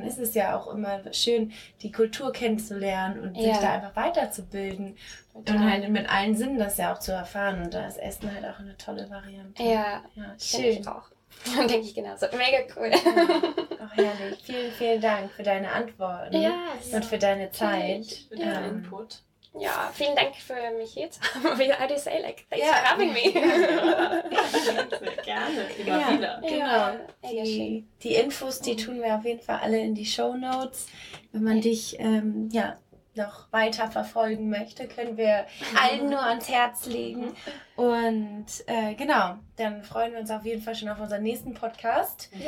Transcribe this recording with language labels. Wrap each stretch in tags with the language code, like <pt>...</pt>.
<de>Dann ist es ja auch immer schön, die Kultur kennenzulernen und sich da einfach weiterzubilden. Total. Und halt mit allen Sinnen das ja auch zu erfahren. Und da ist Essen halt auch eine tolle Variante. Ja, schön. Finde ich auch. Denke ich genauso. Mega cool. Ach, herrlich. Vielen, vielen Dank für deine Antworten und für deine Zeit. Für deinen Input. Ja, vielen Dank für mich jetzt.</de> <en>How do you say, like, thanks for having me.</en> <de>Gerne, immer wieder. Genau. Die Infos, die tun wir auf jeden Fall alle in die Shownotes. Wenn man dich, noch weiter verfolgen möchte, können wir allen nur ans Herz legen. Und dann freuen wir uns auf jeden Fall schon auf unseren nächsten Podcast.</de>